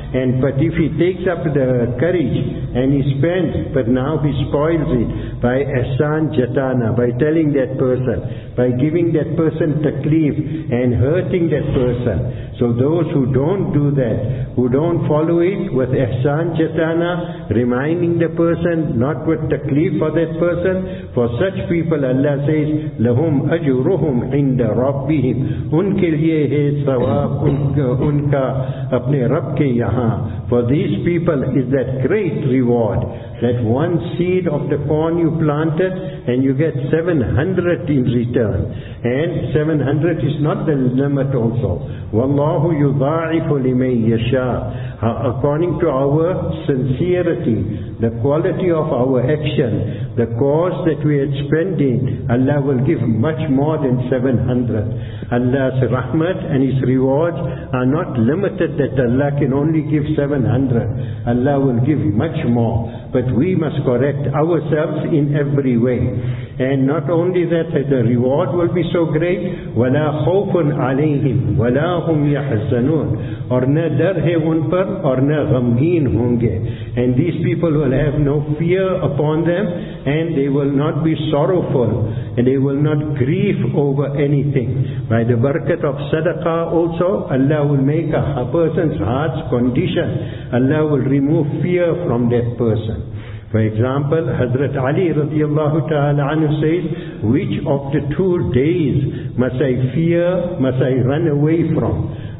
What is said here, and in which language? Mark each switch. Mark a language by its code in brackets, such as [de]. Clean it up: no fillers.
[en] And but if he takes up the courage and he spends, but now he spoils it by ihsan jatana, by telling that person, by giving that person takleef and hurting that person. So those who don't do that, who don't follow it with ihsan jatana, reminding the person, not with takleef for that person, for such people Allah says, [ar] لَهُمْ أَجْرُهُمْ عِنْدَ رَبِّهِمْ. [ur] ان کے لئے ہے ثواب ان کا اپنے رب کے یہاں. [en] For these people is that great reward. that one seed of the corn you planted and you get 700 in return. And 700 is not the limit also. [ar] Wallahu yudha'ifu limay yasha. [en] According to our sincerity, the quality of our action, the cause that we are spending, Allah will give much more than 700. Allah's rahmat and His rewards are not limited that Allah can only give 700. Allah will give much more. But we must correct ourselves in every way. And not only that, the reward will be so great, [ar] وَلَا خَوْفٌ عَلَيْهِمْ وَلَا هُمْ يَحْزَنُونَ [ur] اور نہ در ہے ان پر اور نہ غمگین ہوں گے. [en] And these people will have no fear upon them, and they will not be sorrowful, and they will not grieve over anything. By the barakat of sadaqah also, Allah will make a person's heart's condition. Allah will remove fear from that person. For example, Hazrat Ali radiallahu ta'ala anhu says, which of the two days must I fear, must I run away from?